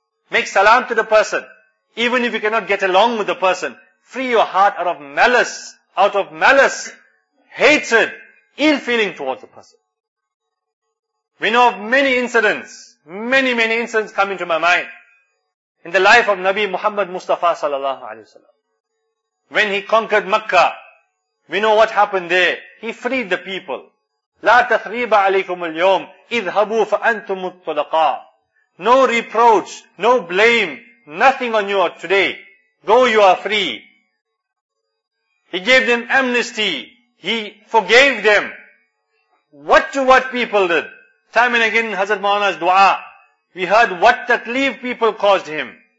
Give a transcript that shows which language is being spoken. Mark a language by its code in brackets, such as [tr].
[en] Make salam to the person. Even if you cannot get along with the person, free your heart out of malice, hatred, ill feeling towards the person. We know of many incidents come into my mind in the life of Nabi Muhammad Mustafa sallallahu alaihi wasallam. When he conquered Makkah, we know what happened there. He freed the people. [ar] لا تخريب عليكم اليوم اذهبوا فأنتم الطلقاء. [en] No reproach, no blame, nothing on you today. Go, you are free. He gave them amnesty. He forgave them. What to what people did? Time and again in Hazrat Maulana's dua, we heard what takleef people caused him.